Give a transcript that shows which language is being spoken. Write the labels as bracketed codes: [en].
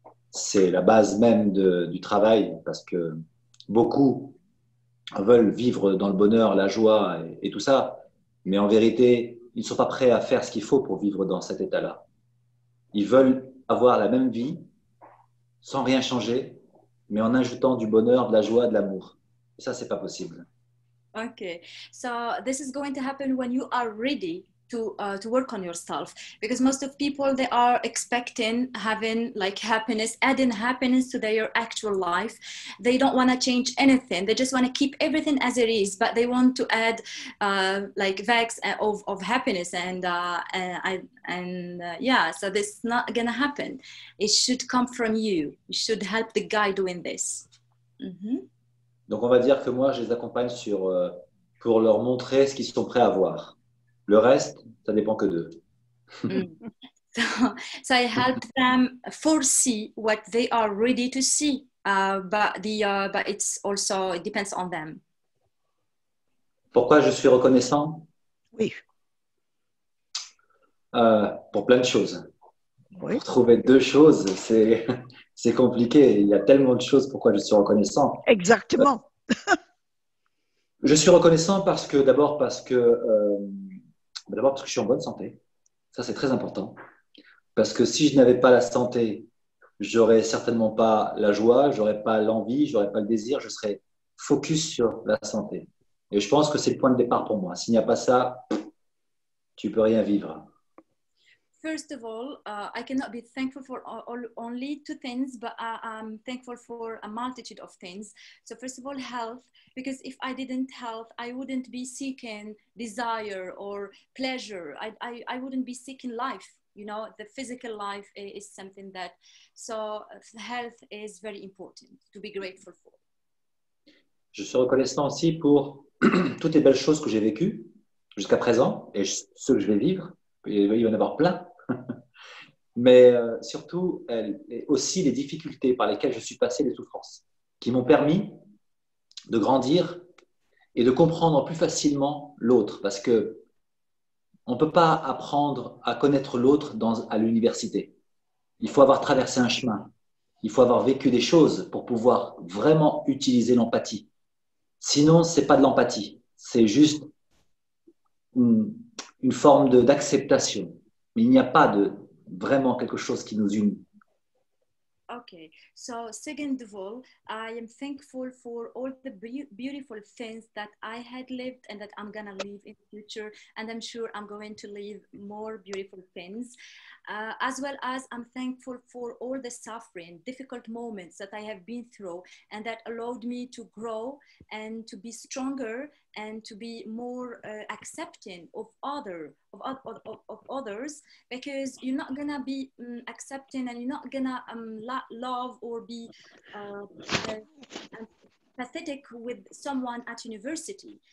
[fr] C'est la base même du travail, parce que beaucoup veulent vivre dans le bonheur, la joie et tout ça, mais en vérité, ils ne sont pas prêts à faire ce qu'il faut pour vivre dans cet état-là. Ils veulent avoir la même vie, sans rien changer, mais en ajoutant du bonheur, de la joie, de l'amour. Et ça, ce n'est pas possible. [en] Okay, so this is going to happen when you are ready to work on yourself, because most of people, they are expecting having like happiness, adding happiness to their actual life. They don't want to change anything. They just want to keep everything as it is, but they want to add like vex of happiness and so this is not going to happen. It should come from you. You should help the guy doing this. Mm-hmm. [fr] Donc, on va dire que moi, je les accompagne pour leur montrer ce qu'ils sont prêts à voir. Le reste, ça dépend que d'eux. [en] So, I help them foresee what they are ready to see, but it's also, it depends on them. [fr] Pourquoi je suis reconnaissant? Oui. Pour plein de choses. Oui. Pour trouver deux choses, c'est compliqué. Il y a tellement de choses pourquoi je suis reconnaissant. Exactement. Je suis reconnaissant parce que je suis en bonne santé. Ça, c'est très important. Parce que si je n'avais pas la santé, j'aurais certainement pas la joie, j'aurais pas l'envie, j'aurais pas le désir. Je serais focus sur la santé. Et je pense que c'est le point de départ pour moi. S'il n'y a pas ça, tu peux rien vivre. [en] First of all, I cannot be thankful for only two things, but I'm thankful for a multitude of things. So first of all, health, because if I didn't health, I wouldn't be seeking desire or pleasure. I wouldn't be seeking life. You know, the physical life is something that, so health is very important to be grateful for. [fr] Je suis reconnaissant aussi pour toutes les belles choses que j'ai vécues jusqu'à présent et ce que je vais vivre. Il va y en avoir plein. Mais surtout, aussi les difficultés par lesquelles je suis passé, les souffrances, qui m'ont permis de grandir et de comprendre plus facilement l'autre. Parce qu'on ne peut pas apprendre à connaître l'autre à l'université. Il faut avoir traversé un chemin. Il faut avoir vécu des choses pour pouvoir vraiment utiliser l'empathie. Sinon, ce n'est pas de l'empathie. C'est juste une forme d'acceptation. Mais il n'y a pas de vraiment quelque chose qui nous unit. [en] Okay, so second of all, I am thankful for all the beautiful things that I had lived and that I'm going to live in the future. And I'm sure I'm going to live more beautiful things. As well as I'm thankful for all the suffering, difficult moments that I have been through and that allowed me to grow and to be stronger and to be more accepting of others, because you're not gonna be accepting and you're not gonna love or be pathetic with someone at university.